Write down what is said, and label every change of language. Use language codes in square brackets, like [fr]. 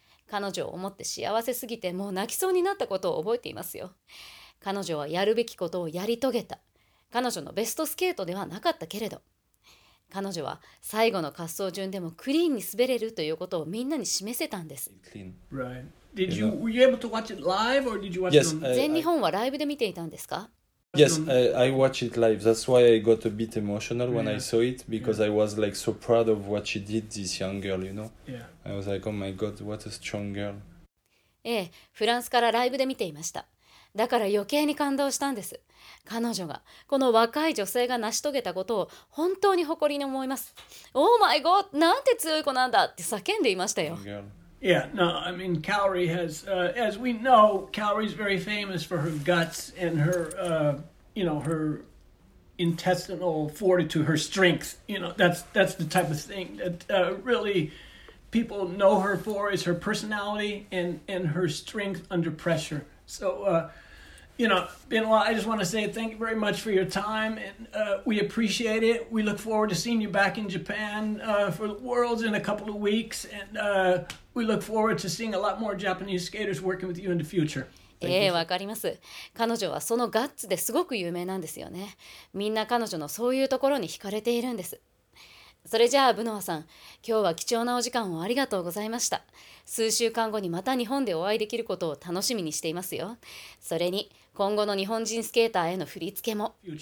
[ja] 彼女を思って幸せすぎてもう泣きそうになったことを覚えていますよ。彼女はやるべきことをやり遂げた。彼女のベストスケートではなかったけれど、彼女は最後の滑走順でもクリーンに滑れるということをみんなに示せたんです。 [en] Right. Did you, were you able to watch it live or did you watch it on... [ja] Yes, 全日本はライブで見ていたんですか？ [en] Yes, I watched it live. That's why I got a bit emotional when I saw it, because I was like so proud of what she did, this young girl, you know? Yeah. I was like, oh my God, what a strong girl. [ja] ええ、フランスからライブで見ていました。だから余計に感動したんです。彼女が、この若い女性が成し遂げたことを本当に誇りに思います。 [en] Oh my God, [ja] なんて強い子なんだって叫んでいましたよ。 [en] Yeah, no, I mean, Kaori has, as we know, Kaori is very famous for her guts and her, you know, her intestinal fortitude, her strength. You know, that's the type of thing that really people know her for is her personality and her strength under pressure. So, you know, Benoit, I just want to say thank you very much for your time. And we appreciate it. We look forward to seeing you back in Japan for the Worlds in a couple of weeks. And we look forward to seeing a lot more Japanese skaters working with you in the future. [ja] ええ、わかります。彼女はそのガッツですごく有名なんですよね。みんな彼女のそういうところに惹かれているんです。それじゃあ、ブノワさん、今日は貴重なお時間をありがとうございました。数週間後にまた日本でお会いできることを楽しみにしていますよ。それに、今後の日本人スケーターへの振り付けも。